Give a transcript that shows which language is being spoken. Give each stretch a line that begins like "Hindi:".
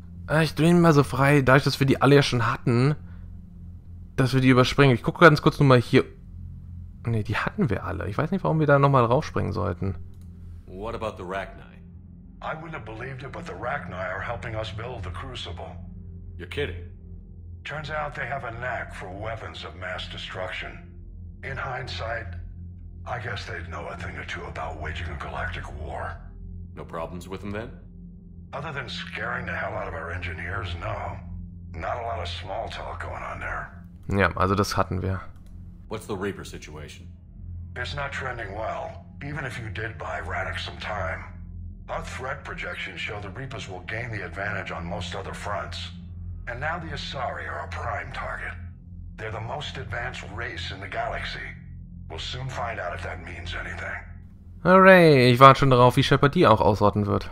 German: Ich drehe ihn mal so frei, da ich das für die alle ja schon hatten. dass wir die überspringen. Ich gucke ganz kurz nochmal hier. Ne, die hatten wir alle. Ich weiß nicht, warum wir da nochmal raufspringen sollten.
English: What about the Rachni? I wouldn't have believed it, but the Rachni are helping us build the Crucible. You're kidding. Turns out they have a knack for weapons of mass destruction. In hindsight, I guess they'd know a thing or two about waging a galactic war. No problems with them then? Other than scaring the hell out of our engineers, no. Not a lot of small talk going on there.
German: Ja, also das hatten wir.
English: What's the Reaper situation? It's not trending well, even if you did buy Radix some time. Our threat projections show the Reapers will gain the advantage on most other fronts. And now the Asari are a prime target. They're the most advanced race in the galaxy. We'll soon find out if that means anything.
German: Hooray, ich warte schon darauf, wie Shepard die auch ausrotten wird.